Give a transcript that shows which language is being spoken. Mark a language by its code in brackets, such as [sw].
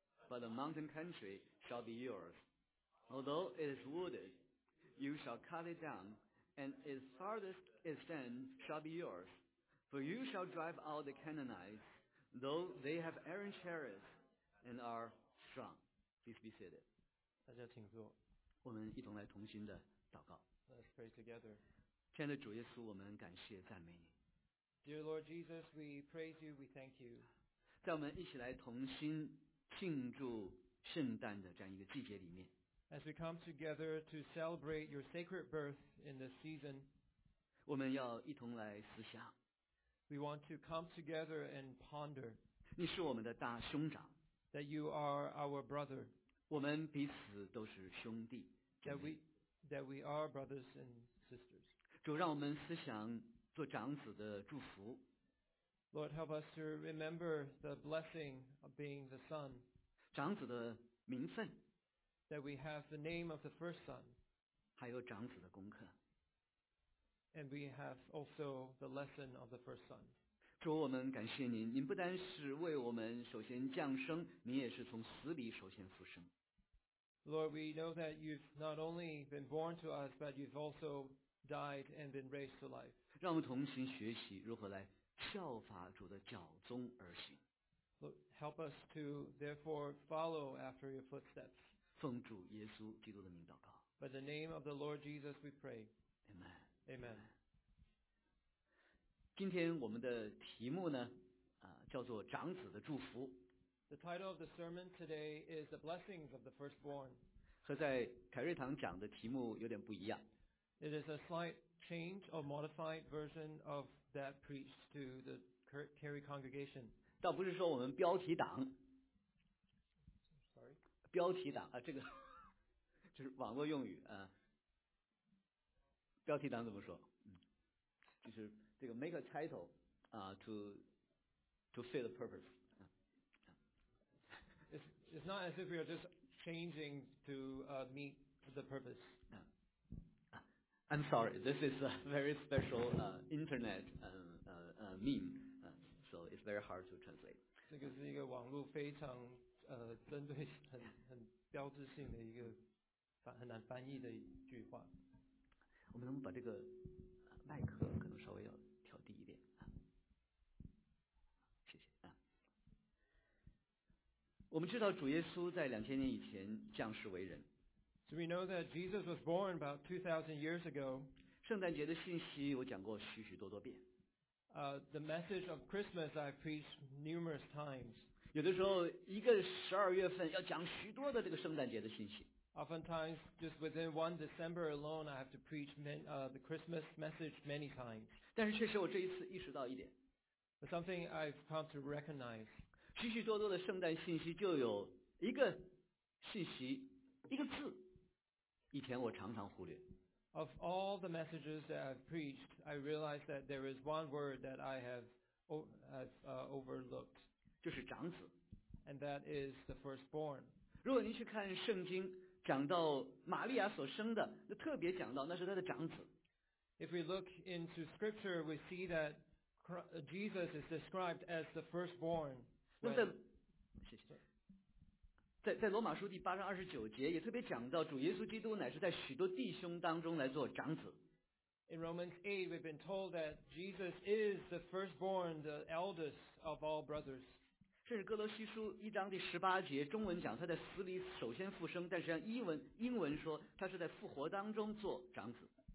[en] but the mountain country shall be yours. Although it is wooded, you shall cut it down, and its farthest extent shall be yours. For you shall drive out the Canaanites, though they have iron chariots and are strong. Please be seated. [zh] 大家请坐。我们一同来同心的祷告。 [en] Let's pray together. [zh] 亲爱的主耶稣，我们感谢赞美你。 [en] Dear Lord Jesus, we praise you, we thank you. [zh] 在我们一起来同心庆祝圣诞的这样一个季节里面。 [en] As we come together to celebrate your sacred birth in this season, [zh] 我们要一同来思想。 [en] We want to come together and ponder. [zh] 你是我们的大兄长。 [en] That you are our brother. [zh] 我们彼此都是兄弟。 [en] That we are brothers and sisters. [zh] 主让我们思想做长子的祝福。 [en] Lord, help us to remember the blessing of being the son. [zh] 长子的名分。 [en] That we have the name of the first son. [zh] 还有长子的功课。 [en] And we have also the lesson of the first son. [zh] 主，我们感谢您，您不单是为我们首先降生，您也是从死里首先复生。 [en] Lord, we know that you've not only been born to us, but you've also died and been raised to life. [zh] 让我们同心学习如何来效法主的脚踪而行。 [en] Lord, help us to therefore follow after your footsteps. [zh] 奉主耶稣基督的名祷告。 [en] By the name of the Lord Jesus, we pray. Amen. Amen. [zh] 今天我们的题目呢，叫做长子的祝福。 [en] The title of the sermon today is The Blessings of the Firstborn. [zh] 和在凯瑞堂讲的题目有点不一样。 [en] It is a slight change or modified version of that preached to the Carey congregation. [zh] 倒不是说我们标题党。 [en] Sorry? [zh] 标题党啊，这个就是网络用语啊。标题党怎么说？就是这个 [en] make a title [zh] 啊、 [en] to fit the purpose。 It's not as if we are just changing to meet the purpose. I'm sorry. This is a very special internet meme, so it's very hard to translate. [zh] 这个是一个网络非常针对很标志性的一个很难翻译的一句话。我们能把这个麦克可能稍微要调低一点啊，谢谢啊。我们知道主耶稣在2000年以前降世为人。 [en] So we know that Jesus was born about 2,000 years ago. [zh] 圣诞节的信息我讲过许许多多遍。 [en] The message of Christmas I preached numerous times. [zh] 有的时候一个十二月份要讲许多的这个圣诞节的信息。 [en] Oftentimes, just within one December alone, I have to preach the Christmas message many times. [zh] 但是确实我这一次意识到一点。 [en] But something I've come to recognize. [zh] 许许多多的圣诞信息就有一个信息，一个字，以前我常常忽略。 [en] Of all the messages that I've preached, I realize that there is one word that I have overlooked. [zh] 就是长子。 [en] And that is the firstborn. [zh] 如果您去看圣经讲到玛利亚所生的，那特别讲到那是他的长子。 [en] If we look into scripture, we see that Jesus is described as the firstborn. [zh] 那在谢谢，在罗马书第八章二十九节也特别讲到主耶稣基督乃是在许多弟兄当中来做长子。 [en] In Romans 8, we've been told that Jesus is the firstborn, the eldest of all brothers. [zh] 甚至哥罗西书一章第十八节中文讲他在死里首先复生，但实际上英文说他是在复活当中做长子。